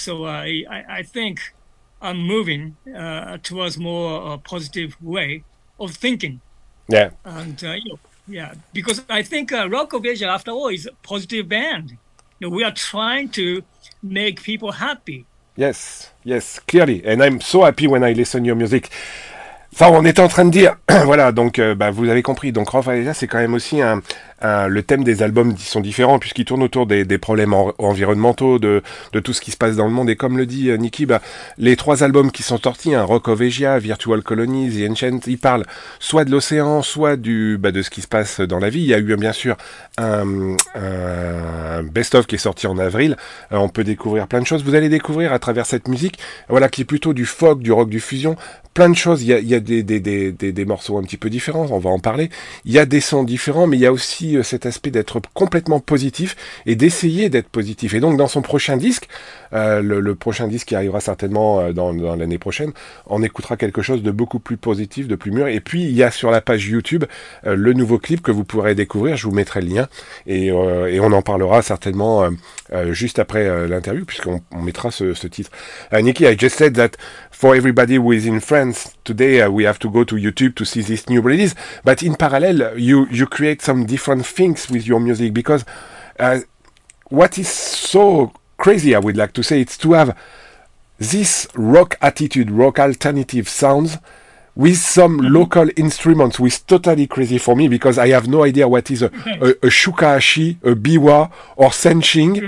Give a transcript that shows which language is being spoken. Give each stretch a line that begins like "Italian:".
English: So I think I'm moving towards more positive way of thinking. Yeah. And, you know, yeah, because I think Rock of Asia, after all, is a positive band. You know, we are trying to make people happy. Yes, yes, clearly. And I'm so happy when I listen to your music.
French: Ça, on était en train de dire, voilà, donc bah, vous avez compris, donc Rock of Asia, c'est quand même aussi le thème des albums qui sont différents, puisqu'ils tournent autour des problèmes environnementaux, de tout ce qui se passe dans le monde, et comme le dit Nicky, bah, les 3 albums qui sont sortis, hein, Rock of Asia, Virtual Colonies et Ancient, ils parlent soit de l'océan, soit de ce qui se passe dans la vie. Il y a eu bien sûr un best-of qui est sorti en avril, on peut découvrir plein de choses, vous allez découvrir à travers cette musique, voilà, qui est plutôt du folk, du rock, du fusion, plein de choses. Il y a des morceaux un petit peu différents, on va en parler. Il y a des sons différents, mais il y a aussi cet aspect d'être complètement positif et d'essayer d'être positif. Et donc, dans son prochain disque, le prochain disque qui arrivera certainement dans l'année prochaine, on écoutera quelque chose de beaucoup plus positif, de plus mûr. Et puis, il y a sur la page YouTube le nouveau clip que vous pourrez découvrir. Je vous mettrai le lien et on en parlera certainement juste après l'interview, puisqu'on mettra ce titre.
English: Nicky, I just said that for everybody who is in France today, we have to go to YouTube to see this new release. But in parallel, you create some different things with your music, because what is so crazy, I would like to say, it's to have this rock attitude, rock alternative sounds with some local instruments, which is totally crazy for me, because I have no idea what is a shukashi, a biwa, or senshing.